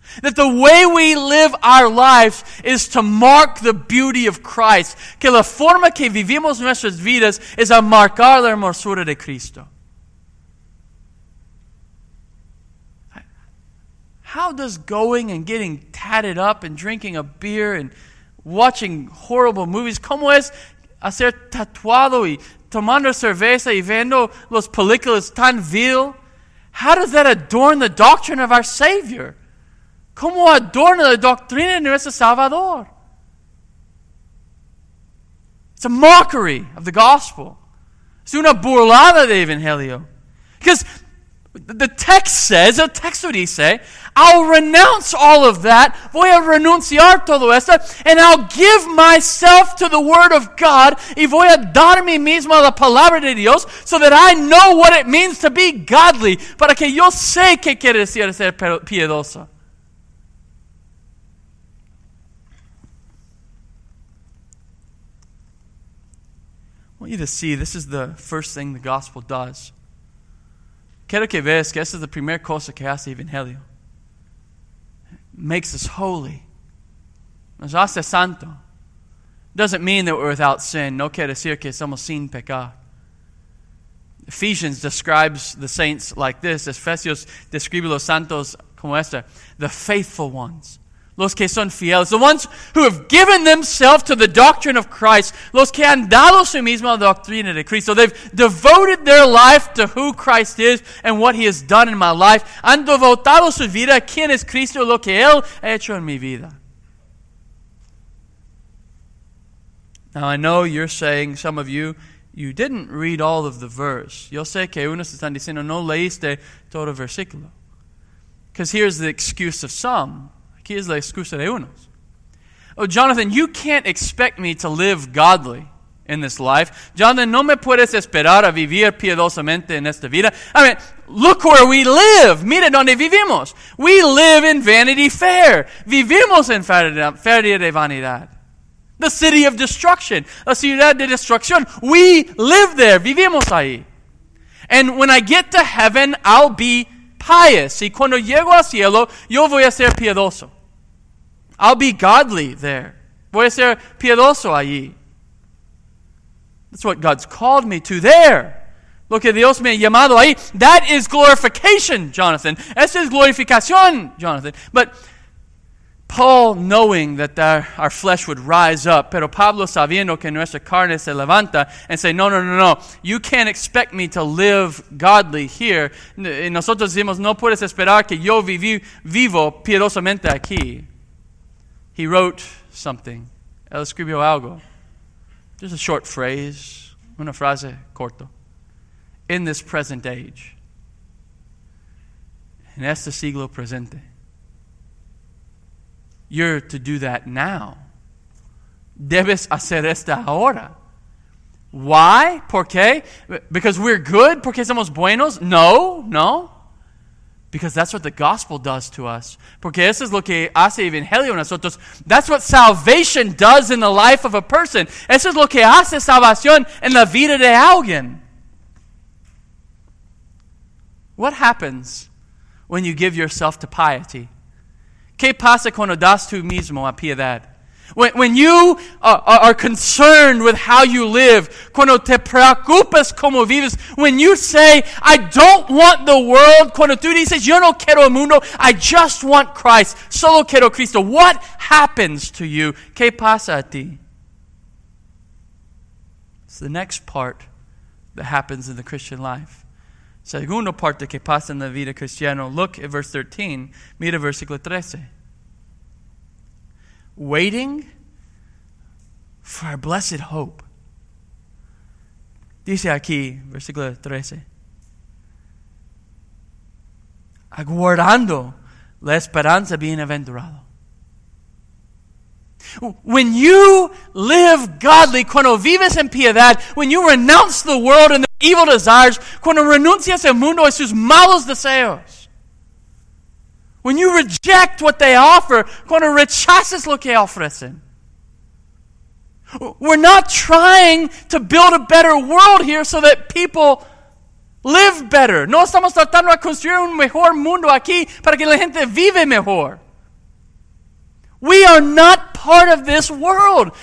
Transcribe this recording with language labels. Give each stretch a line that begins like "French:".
English: That the way we live our lives is to mark the beauty of Christ.
Spanish: Que la forma que vivimos nuestras vidas es a marcar la hermosura de Cristo.
English: How does going and getting tatted up and drinking a beer and watching horrible movies,
Spanish: ¿cómo es hacer tatuado y tomando cerveza y viendo las películas tan vil?
English: How does that adorn the doctrine of our Savior?
Spanish: ¿Cómo adorna la doctrina de nuestro Salvador?
English: It's a mockery of the gospel.
Spanish: Es una burlada de Evangelio.
English: Because the text says,
Spanish: el texto dice,
English: I'll renounce all of that,
Spanish: voy a renunciar todo eso,
English: and I'll give myself to the Word of God,
Spanish: y voy a dar a mí mismo a la Palabra de Dios,
English: so that I know what it means to be godly,
Spanish: para que yo sé qué quiere decir ser piedoso.
English: I want you to see, this is the first thing the gospel does.
Spanish: Quiero que veas que esta es la primera cosa que hace Evangelio.
English: Makes us holy.
Spanish: Nos hace santo.
English: Doesn't mean that we're without sin.
Spanish: No quiere decir que somos sin pecar.
English: Ephesians describes the saints like this.
Spanish: Efesios describe los santos como esta.
English: The faithful ones.
Spanish: Los que son fieles.
English: The ones who have given themselves to the doctrine of Christ.
Spanish: Los que han dado su mismo a la doctrina de Cristo.
English: They've devoted their life to who Christ is and what he has done in my life.
Spanish: Han devotado su vida a quien es Cristo, lo que él ha hecho en mi vida.
English: Now I know you're saying, some of you didn't read all of the verse.
Spanish: Yo sé que unos están diciendo, no leíste todo el versículo.
English: Because here's the excuse of some.
Spanish: Aquí es la excusa de unos.
English: Oh, Jonathan, you can't expect me to live godly in this life.
Spanish: Jonathan, no me puedes esperar a vivir piedosamente en esta vida.
English: I mean, look where we live.
Spanish: Mira donde vivimos.
English: We live in Vanity Fair.
Spanish: Vivimos en Feria de Vanidad.
English: The city of destruction.
Spanish: La ciudad de destrucción.
English: We live there.
Spanish: Vivimos ahí.
English: And when I get to heaven, I'll be pious.
Spanish: Y cuando llego al cielo, yo voy a ser piedoso.
English: I'll be godly there.
Spanish: Voy a ser piedoso allí.
English: That's what God's called me to there.
Spanish: Lo que Dios me ha llamado ahí.
English: That is glorification, Jonathan.
Spanish: Eso es glorificación, Jonathan.
English: But Paul, knowing that our flesh would rise up,
Spanish: pero Pablo sabiendo que nuestra carne se levanta,
English: and say, no, you can't expect me to live godly here.
Spanish: Y nosotros decimos, no puedes esperar que yo vivo piedosamente aquí.
English: He wrote something.
Spanish: Él escribió algo.
English: Just a short phrase.
Spanish: Una frase corta.
English: In this present age.
Spanish: En este siglo presente.
English: You're to do that now.
Spanish: Debes hacer esta ahora.
English: Why?
Spanish: ¿Por qué?
English: Because we're good?
Spanish: ¿Porque somos buenos? No.
English: Because that's what the gospel does to us.
Spanish: Porque eso es lo que hace el evangelio en nosotros.
English: That's what salvation does in the life of a person.
Spanish: Eso es lo que hace salvación en la vida de alguien.
English: What happens when you give yourself to piety?
Spanish: ¿Qué pasa cuando das tú mismo a piedad?
English: When you are concerned with how you live,
Spanish: cuando te preocupas cómo vives,
English: when you say, I don't want the world,
Spanish: cuando tú dices, yo no quiero el mundo,
English: I just want Christ,
Spanish: solo quiero Cristo,
English: what happens to you?
Spanish: ¿Qué pasa a ti?
English: It's the next part that happens in the Christian life.
Spanish: Segunda parte que pasa en la vida cristiana.
English: Look at verse 13,
Spanish: mira versículo 13.
English: Waiting for our blessed hope.
Spanish: Dice aquí, versículo 13. Aguardando la esperanza bienaventurada.
English: When you live godly,
Spanish: cuando vives en piedad,
English: when you renounce the world and the evil desires,
Spanish: cuando renuncias al mundo y sus malos deseos.
English: When you reject what they offer,
Spanish: cuando rechazas lo que ofrecen.
English: We're not trying to build a better world here so that people live better.
Spanish: No estamos tratando de construir un mejor mundo aquí para que la gente vive mejor.
English: We are not part of this world.